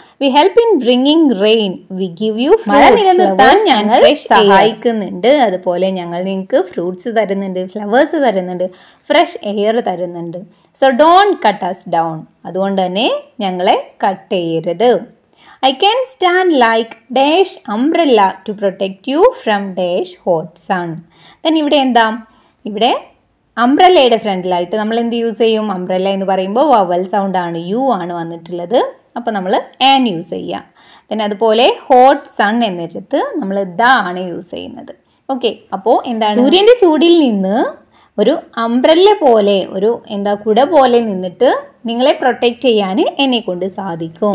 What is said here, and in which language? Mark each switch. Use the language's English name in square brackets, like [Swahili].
[English] we help in bringing rain, we give you flowers, [Malayalam] സഹായിക്കുന്നുണ്ട്. അതുപോലെ ഞങ്ങൾ നിങ്ങൾക്ക് ഫ്രൂട്ട്സ് തരുന്നുണ്ട്, ഫ്ലവേഴ്സ് തരുന്നുണ്ട്, ഫ്രഷ് എയർ തരുന്നുണ്ട്. [English] so don't cut us down, [Malayalam] അതുകൊണ്ട് തന്നെ ഞങ്ങളെ കട്ട് ചെയ്യരുത്. [English] I can stand like dash umbrella to protect you from dash hot sun. [Malayalam] Then ഇവിടെ എന്താ, ഇവിടെ അംബ്രല്ലയുടെ ഫ്രണ്ടിലായിട്ട് നമ്മൾ എന്ത് യൂസ് ചെയ്യും, അംബ്രല്ല എന്ന് പറയുമ്പോൾ വവൽ സൗണ്ട് ആണ്, യു ആണ് വന്നിട്ടുള്ളത്. അപ്പോൾ നമ്മൾ ആൻ യൂസ് ചെയ്യുക. ദെൻ അതുപോലെ ഹോട്ട് സൺ എന്നിടത്ത് നമ്മൾ ദ ആണ് യൂസ് ചെയ്യുന്നത്. ഓക്കെ, അപ്പോൾ എന്താണ്, സൂര്യൻ്റെ ചൂടിൽ നിന്ന് ഒരു അംബ്രല്ല പോലെ, ഒരു എന്താ കുട പോലെ നിന്നിട്ട് നിങ്ങളെ പ്രൊട്ടക്റ്റ് ചെയ്യാൻ എന്നെ കൊണ്ട് സാധിക്കും.